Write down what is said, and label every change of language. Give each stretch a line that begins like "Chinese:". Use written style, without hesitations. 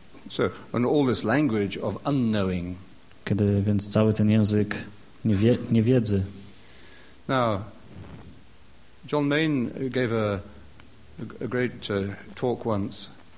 English: So, and all this language of unknowing.
Polish: Kiedy więc cały ten język niewiedzy.
English: Now, John Main gave a great talk once.